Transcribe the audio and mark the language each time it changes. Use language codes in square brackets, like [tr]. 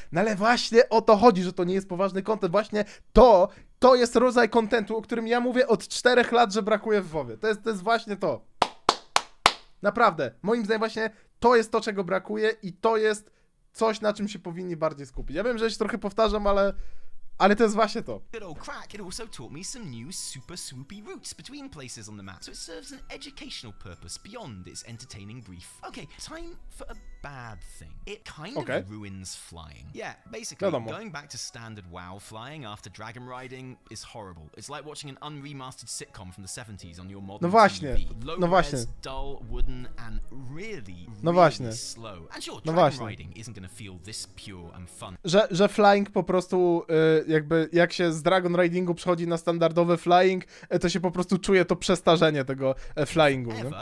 [pl] No ale właśnie o to chodzi, że to nie jest poważny content, właśnie to... To jest rodzaj kontentu, o którym ja mówię od 4 lat, że brakuje w WoWie. To jest właśnie to. Naprawdę. Moim zdaniem właśnie to jest to, czego brakuje i to jest coś, na czym się powinni bardziej skupić. Ja wiem, że się trochę powtarzam, ale to jest właśnie to. [en] Good old crack, it also taught me some new super swoopy routes between places on the map. So it serves an educational purpose beyond its entertaining brief. Okay, time for a bad thing. It kind of ruins flying. Yeah, basically, going back to standard WoW flying after dragon riding is horrible. It's like watching an unremastered sitcom from the 70s on your modern TV. Dull, wooden, and really slow. And sure, dragon riding isn't gonna feel this pure and fun. [pl] Że flying po prostu, jakby, jak się z dragon ridingu przechodzi na standardowy flying, to się po prostu czuje to przestarzenie tego flyingu.